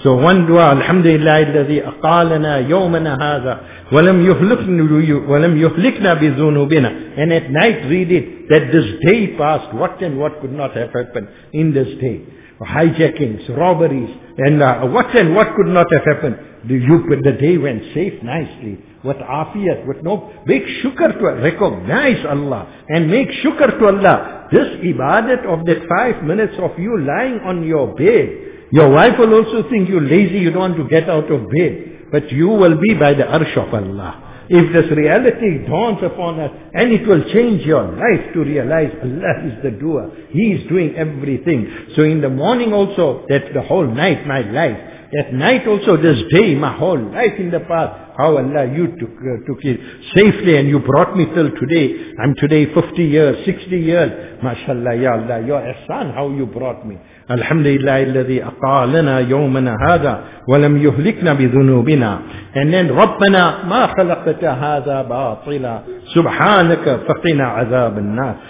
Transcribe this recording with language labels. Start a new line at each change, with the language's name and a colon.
English: So one dua,
Arabic: alhamdulillah, الذي أقالنا يومنا هذا ولم يهلكنا بذنوبنا.
English: And at night read it, that this day passed, what and what could not have happened in this day? Hijackings, robberies, and what and what could not have happened? The day went safe nicely. What afiyat, what no, make shukr to Allah, recognize Allah, and make shukr to Allah. This ibadat of that 5 minutes of you lying on your bed, your wife will also think you're lazy, you don't want to get out of bed, but you will be by the arsh of Allah. If this reality dawns upon us, and it will change your life to realize Allah is the doer, He is doing everything. So in the morning also, that the whole night, my life, that night also, this day, my whole life in the past, how Allah, you took it safely and you brought me till today. I'm today 50 years, 60 years. MashaAllah, Ya Allah, your ihsan, how you brought me.
Arabic: Alhamdulillah, الذي أقالنا يومنا هذا ولم يهلكنا بذنوبنا. And then, ربنا ما خلقت هذا باطلا سبحانك فقنا عذاب النار.